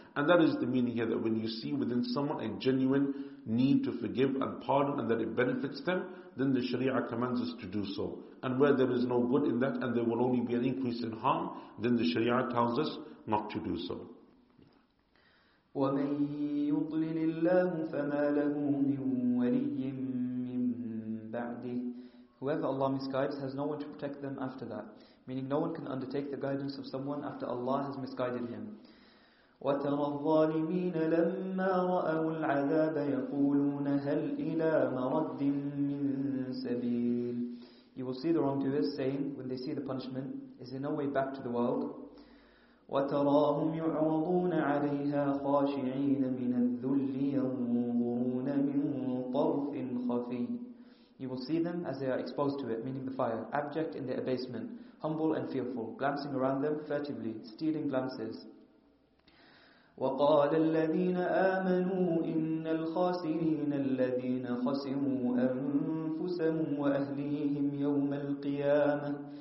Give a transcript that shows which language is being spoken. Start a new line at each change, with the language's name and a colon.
English: And that is the meaning here, that when you see within someone a genuine need to forgive and pardon, and that it benefits them, then the Sharia commands us to do so. And where there is no good in that, and there will only be an increase in harm, then the Sharia tells us not to do so.
Arabic: وَمَن يُضْلِلِ مولاه فما له من ولي من بعده.
English: Whoever Allah misguides has no one to protect them after that, meaning no one can undertake the guidance of someone after Allah has misguided him.
Arabic: وترى الظالمين لما رأوا العذاب يقولون هل إلى مرد من سبيل.
English: You will see the wrongdoers saying, when they see the punishment, is there no way back to the world?
Arabic: وتراهم يعرضون عليها خاشعين من الذل ينظرون من طرف خفي.
English: You will see them as they are exposed to it, meaning the fire, abject in their abasement, humble and fearful, glancing around them furtively, stealing glances.
Arabic: وَقَالَ الَّذِينَ آمَنُوا إِنَّ الْخَاسِرِينَ الَّذِينَ خَسِرُوا أَنفُسَهُمْ وَأَهْلِيهِمْ يَوْمَ الْقِيَامَةِ.